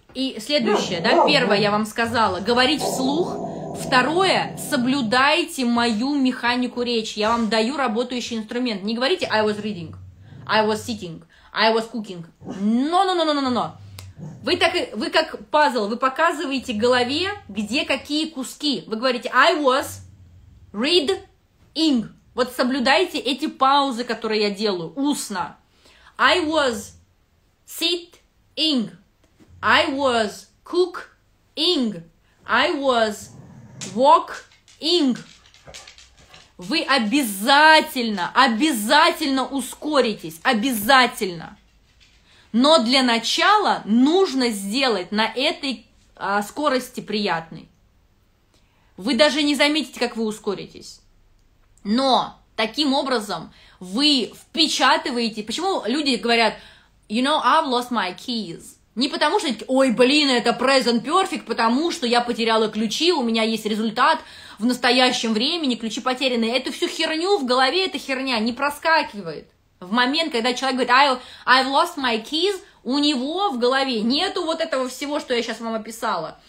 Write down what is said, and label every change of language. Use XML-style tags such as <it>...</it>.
<ru>И следующее, да, первое я вам сказала, говорить вслух. Второе, соблюдайте мою механику речи. Я вам даю работающий инструмент. Не говорите</ru> <en>I was reading, I was sitting, I was cooking. No.</en> <ru>Вы как пазл, вы показываете голове, где какие куски. Вы говорите</ru> <en>I was reading.</en> <ru>Вот соблюдайте эти паузы, которые я делаю устно.</ru> <en>I was sitting. I was cooking, I was walking.</en> <ru>Вы обязательно ускоритесь, обязательно. Но для начала нужно сделать на этой скорости приятной. Вы даже не заметите, как вы ускоритесь. Но таким образом вы впечатываете... Почему люди говорят,</ru> <en>you know, I've lost my keys?</en> <ru>Не потому что, ой, блин, это present perfect, потому что я потеряла ключи, у меня есть результат в настоящем времени, ключи потеряны. Эту всю херню в голове, эта херня не проскакивает. В момент, когда человек говорит,</ru> <en>I've lost my keys,</en> <ru>у него в голове нету вот этого всего, что я сейчас вам описала.</ru>